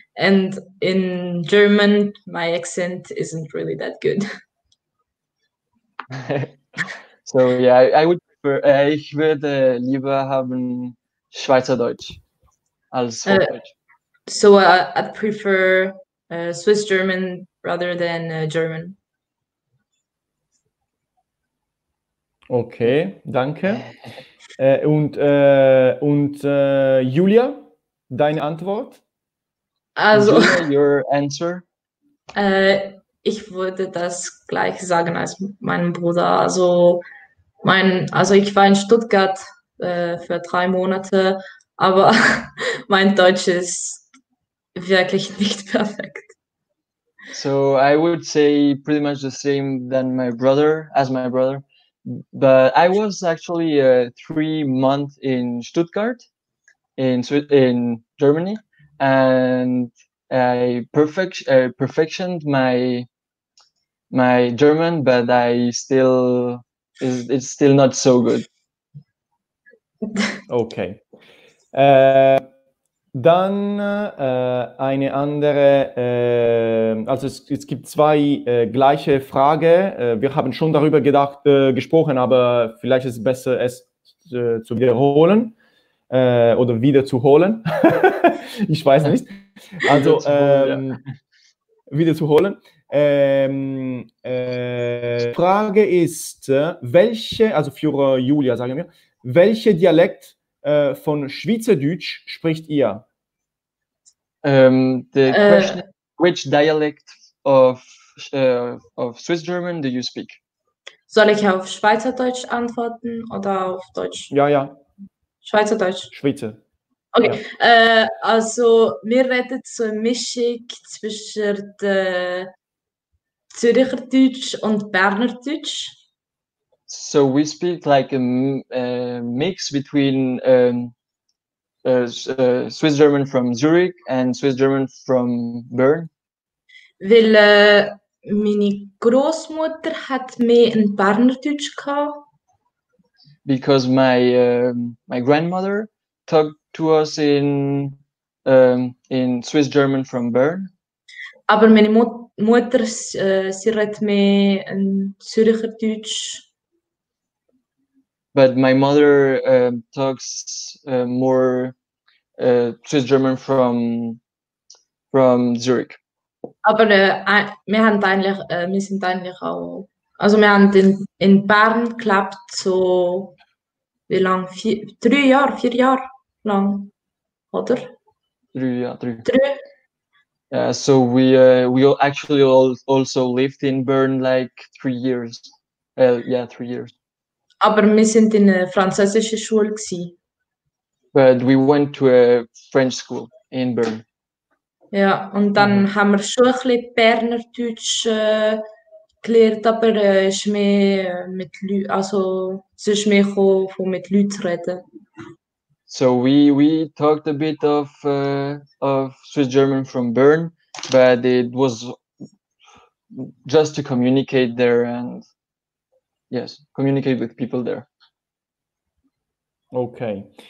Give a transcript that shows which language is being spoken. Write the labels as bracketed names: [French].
[English] And in German, my accent isn't really that good. So yeah, [German] ich würde lieber haben Schweizerdeutsch als Hochdeutsch. [English] So I prefer Swiss German rather than German. [German] Okay, danke. Und Julia, deine Antwort? Also, [English] Julia, your answer? [German] Ich würde das gleich sagen als mein Bruder. Also, ich war in Stuttgart für 3 Monate, aber mein Deutsch ist wirklich nicht perfekt. [English] So I would say pretty much the same than my brother, as my brother. But I was actually 3 months in Stuttgart, in Germany, and I perfectioned my German, but it's still not so good. Okay. [German] Dann eine andere, also es gibt zwei gleiche Frage. Wir haben schon darüber gesprochen, aber vielleicht ist es besser, es zu wiederholen oder wiederzuholen. Ich weiß nicht. Also wiederzuholen. Frage ist, Julia, sagen wir, welche Dialekt von Schweizerdeutsch spricht ihr? [English] The question: which dialect of Swiss German do you speak? [German] Soll ich auf Schweizerdeutsch antworten oder auf Deutsch? Ja. Schweizerdeutsch. Schweizer. Okay. Ja. Also mir redet so eine Mischung zwischen Zürcherdeutsch und Bernerdeutsch. [English] So we speak like a mix between Swiss German from Zurich and Swiss German from Bern. [German] Weil meine Großmutter hat mir in Bernerdeutsch gehabt. [English] Because my grandmother talked to us in Swiss German from Bern. [German] Aber meine Mutter sie redt mir in Zürcherdeutsch. [English] But my mother talks more Swiss German from from Zurich. [German] Aber wir haben eigentlich, wir sind eigentlich auch, also wir haben in Bern geklappt so, wie lang, vier Jahre lang, oder? Drei. [English] Yeah, so we actually also lived in Bern like 3 years. Yeah, 3 years. [German] Aber wir sind in eine französische Schule gsi. [English] But we went to a French school in Bern. [German] Ja, und dann haben wir schon ein bisschen Bernerdeutsch gelernt, aber es ist mehr von mit Leuten zu reden. [English] So we talked a bit of Swiss German from Bern, but it was just to communicate there and yes, communicate with people there. Okay.